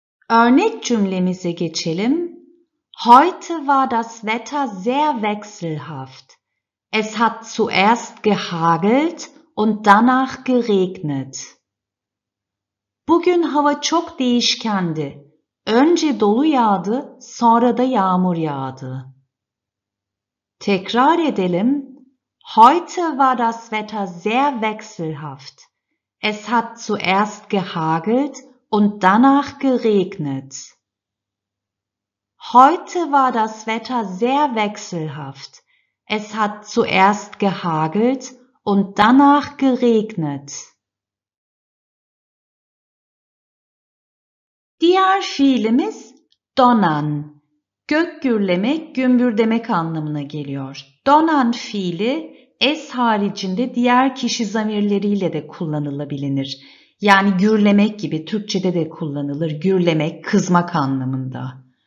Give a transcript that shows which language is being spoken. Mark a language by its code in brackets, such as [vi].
[tr] Örnek cümlemize geçelim. [de] Heute war das Wetter sehr wechselhaft. Es hat zuerst gehagelt und danach geregnet. [tr] Bugün hava çok değişkendi. Önce dolu yağdı, sonra da yağmur yağdı. Tekrar edelim. [de] Heute war das Wetter sehr wechselhaft. Es hat zuerst gehagelt und danach geregnet. Heute war das Wetter sehr wechselhaft. Es hat zuerst gehagelt und danach geregnet. [tr] Diğer fiilimiz donan, gök gürlemek, gümbürdemek anlamına geliyor. Donan fiili es haricinde diğer kişi zamirleriyle de kullanılabilir. Yani gürlemek gibi Türkçede de kullanılır. Gürlemek, kızmak anlamında.